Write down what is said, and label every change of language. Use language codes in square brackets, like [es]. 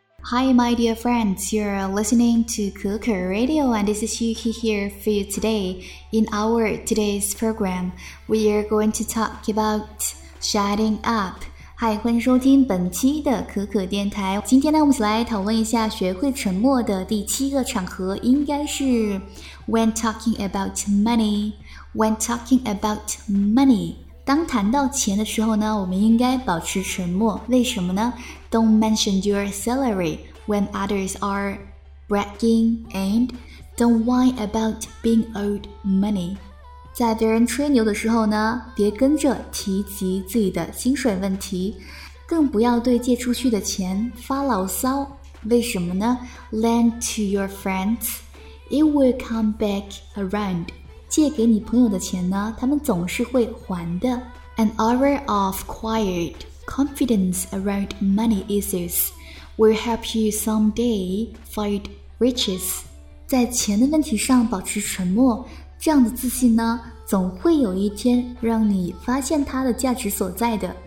[en] Hi, my dear friends, you're listening to Kuku Radio, and this is Yuki here for you today. In our today's program, we are going to talk about shutting up. [zh] Hi, 欢迎收听本期的可可电台。今天呢，我们来讨论一下学会沉默的第七个场合，应该是 [en] when talking about money. When talking about money. [zh] 当谈到钱的时候呢，我们应该保持沉默。为什么呢？ [en] Don't mention your salary when others are bragging, and don't whine about being owed money. [zh] 在别人吹牛的时候呢，别跟着提及自己的薪水问题，更不要对借出去的钱发牢骚。为什么呢？ [en] Lend to your friends, it will come back around. [zh] 借给你朋友的钱呢，他们总是会还的。 [en] An aura of quiet confidence around money issues will help you someday find riches. [zh] 在钱的问题上保持沉默，这样的自信呢，总会有一天让你发现它的价值所在的。